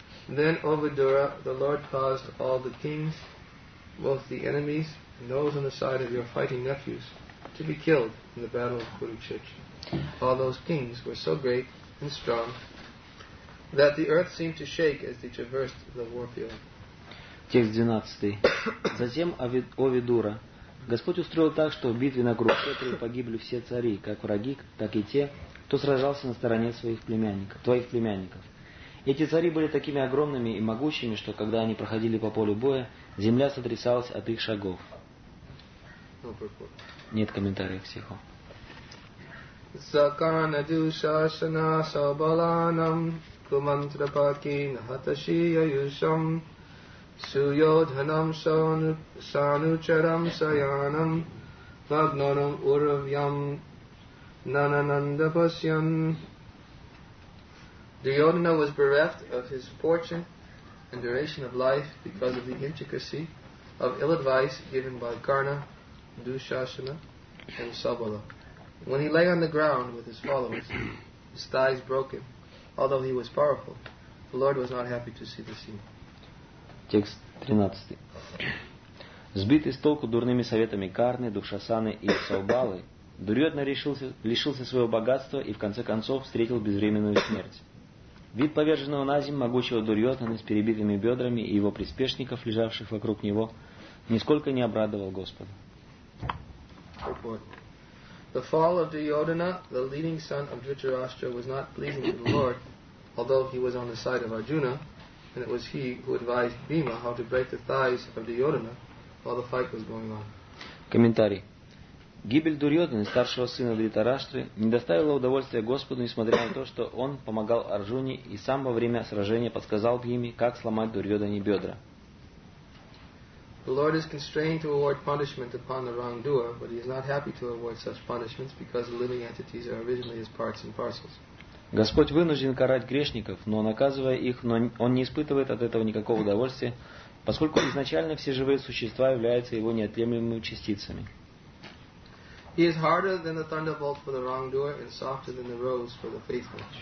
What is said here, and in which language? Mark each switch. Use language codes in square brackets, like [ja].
[en] Then, O Vidura, the Lord caused all the kings, both the enemies and those on the side of your fighting nephews, to be killed in the battle of Kurukshetra. All those kings were so great and strong that the earth seemed to shake as they traversed the war field. [ru] Текст 12. Затем, О Видура, Господь устроил так, что в битве на Курукшетре погибли все цари, как враги, так и те, кто сражался на стороне своих племянников, твоих племянников. Эти цари были такими огромными и могучими, что когда они проходили по полю боя, земля сотрясалась от их шагов. Нет комментариев к стиху. [sa] Саканадюшашана сабаланам кумантрапаки нахаташи яюшам суйодханам санучарам саянам вагнарам уравьям нананандапасьян. [en] Duryodhana was bereft of his fortune and duration of life because of the intricacy of ill advice given by Karna, Dushasana, and Sabala. When he lay on the ground with his followers, his thighs broke him. Although he was powerful, the Lord was not happy to see the scene. [ru] Текст 13. Сбитый с толку дурными советами Карны, Душасаны и Саубалы, Дурьодна лишился своего богатства и в конце концов встретил безвременную смерть. Вид поверженного наземь могучего Дурьотана с перебитыми бедрами и его приспешников, лежавших вокруг него, нисколько не обрадовал Господа. [en] The fall of Duryodhana, the leading son of Dhritarashtra, was not pleasing to the Lord, although he was on the side of Arjuna, and it was he who advised Bhima how to break the thighs of Duryodhana while the fight was going on. [ru] Комментарий. Гибель Дурьотаны, старшего сына Дхритарашты, не доставила удовольствия Господу, несмотря на то, что он помогал Арджуне и сам во время сражения подсказал Бхиме, как сломать Дурьотане бедра. [en] The Lord is constrained to award punishment upon the wrongdoer, but he is not happy to award such punishments because the living entities are originally his parts and parcels. [ru] Господь вынужден карать грешников, но наказывая их, он не испытывает от этого никакого удовольствия, поскольку изначально все живые существа являются его неотъемлемыми частицами. [en] He is harder than the thunderbolt for the wrongdoer and softer than the rose for the faithful.